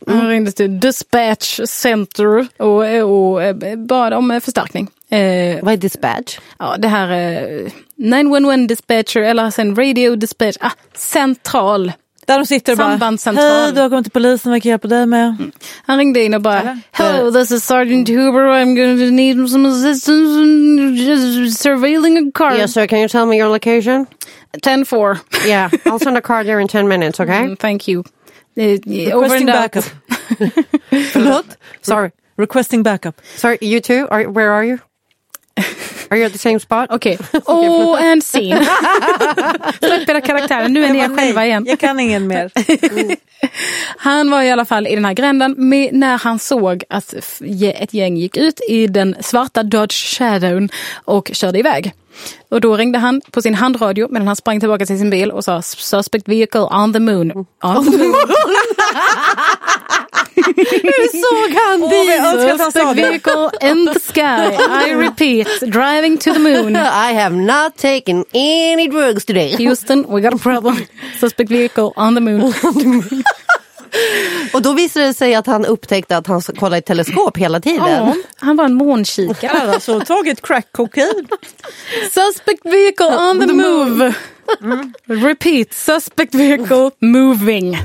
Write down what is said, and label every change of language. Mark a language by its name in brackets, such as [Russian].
[Swedish] Han ringde till Dispatch Center och bad om förstärkning. Vad är dispatch? Ja, det här 911 dispatcher eller sen radio dispatch. Ah, central. Där de sitter och bara, hej, du har kommit till polisen, vad kan jag hjälpa dig med? Mm. Han ringde in och bara, [English] hello, this is Sergeant Huber, I'm gonna need some assistance in surveilling a car. Yes, sir, can you tell me your location? 10-4. Yeah, I'll send a car there in 10 minutes, okay? Mm, thank you. Requesting backup. [Swedish] Förlåt? [English] Sorry. Requesting backup. Sorry, you too? Where are you? Are you at the same spot? [Swedish] Okej. Okay. [English] Oh, and scene. [Swedish] Släpp era karaktärer. Nu är ni själva igen. Jag kan ingen mer. Han var i alla fall i den här gränden när han såg att ett gäng gick ut i den svarta Dodge Shadow och körde iväg. Och då ringde han på sin handradio medan han sprang tillbaka till sin bil och sa, [English] suspect vehicle on the moon. On the moon. [Swedish] Hur såg han det? [English] Suspect vehicle in the sky. I repeat, driving to the moon. I have not taken any drugs today. Houston, we got a problem. Suspect vehicle on the moon. [Swedish] Och då visade det sig att han upptäckte att han kollade i teleskop hela tiden. Ja, han var en månkikare. Han hade alltså tagit crack cocaine. [English] Suspect vehicle on the move. Mm. Repeat, suspect vehicle moving.